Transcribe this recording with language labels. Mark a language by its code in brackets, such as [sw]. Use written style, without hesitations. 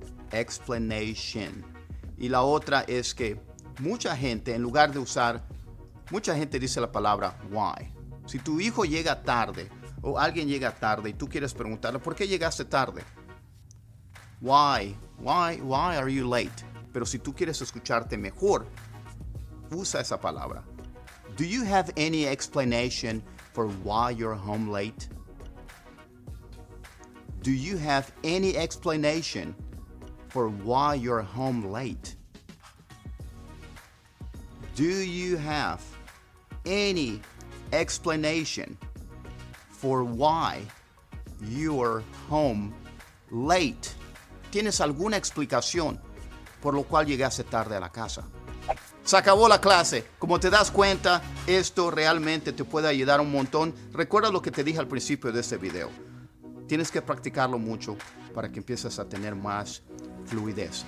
[es] Explanation. Y la otra es que mucha gente, en lugar de usar, mucha gente dice la palabra why. Si tu hijo llega tarde o alguien llega tarde y tú quieres preguntarle, ¿por qué llegaste tarde? Why? [en] Why are you late? [es] Pero si tú quieres escucharte mejor, usa esa palabra. [en] Do you have any explanation for why you're home late? Do you have any explanation for why you're home late? Do you have any explanation for why you're home late? [es] ¿Tienes alguna explicación por lo cual llegaste tarde a la casa? Se acabó la clase. Como te das cuenta, esto realmente te puede ayudar un montón. Recuerda lo que te dije al principio de este video. Tienes que practicarlo mucho para que empieces a tener más fluidez.